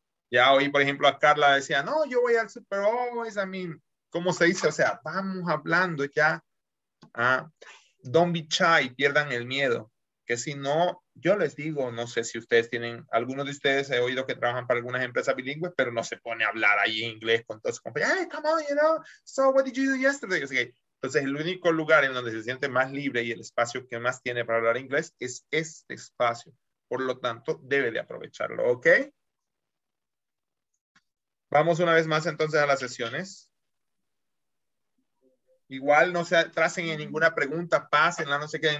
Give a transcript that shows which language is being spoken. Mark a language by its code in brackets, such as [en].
[es] Ya oí, por ejemplo, a Carla decía, no, yo voy al Super Always, [en] I mean, [es] ¿cómo se dice? O sea, vamos hablando ya. Ah, [en] don't be shy, [es] pierdan el miedo. Que si no, yo les digo, no sé si ustedes tienen, algunos de ustedes he oído que trabajan para algunas empresas bilingües, pero no se pone a hablar ahí en inglés con todos sus compañeros. [en] Hey, come on, you know, so what did you do yesterday? [es] Entonces, el único lugar en donde se siente más libre y el espacio que más tiene para hablar inglés es este espacio. Por lo tanto, debe de aprovecharlo, ¿ok? Vamos una vez más entonces a las sesiones. Igual no se atrasen en ninguna pregunta, pásenla, no se queden.